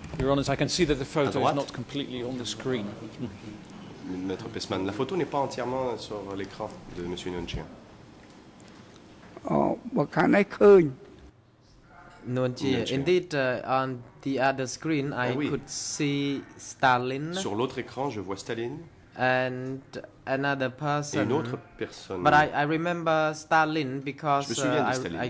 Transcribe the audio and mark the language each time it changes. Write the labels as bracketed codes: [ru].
[en] Your Honour, I can see that the photo is not completely on the screen. [fr] Maître Pesman, la photo n'est pas entièrement sur l'écran de Monsieur Nguyen. [en] Oh, what can I call? Nguyen, indeed, on the other screen, could see Stalin. [fr] Sur l'autre écran, je vois Stalin. [en] And another person. [fr] Et une autre personne. [en] But I remember Stalin because I